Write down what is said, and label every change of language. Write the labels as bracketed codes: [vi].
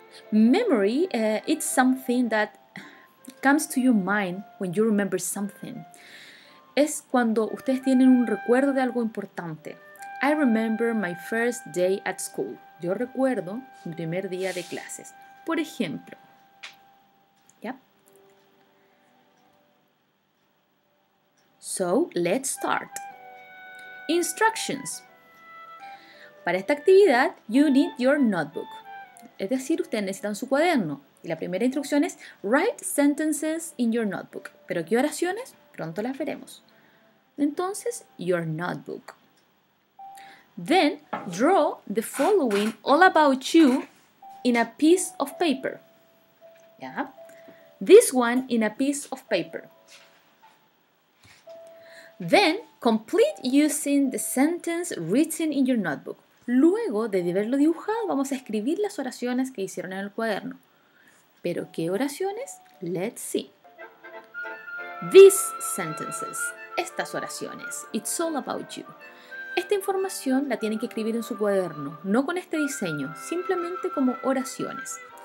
[en] Memory, it's something that comes to your mind when you remember something. [es] Es cuando ustedes tienen un recuerdo de algo importante. [en] I remember my first day at school. [es] Yo recuerdo mi primer día de clases. Por ejemplo. Yep. [en] So, let's start. Instructions. [es] Para esta actividad, [en] you need your notebook. [es] Es decir, ustedes necesitan su cuaderno. Y la primera instrucción es [en] write sentences in your notebook. [es] ¿Pero qué oraciones? Pronto las veremos. [en] Entonces, your notebook. Then, draw the following all about you in a piece of paper. Yeah. This one in a piece of paper. Then, complete using the sentence written in your notebook. [es] Luego de haberlo dibujado, vamos a escribir las oraciones que hicieron en el cuaderno. ¿Pero qué oraciones? [en] Let's see. These sentences. [es] Estas oraciones. [en] It's all about you. [es] Esta información la tienen que escribir en su cuaderno, no con este diseño, simplemente como oraciones.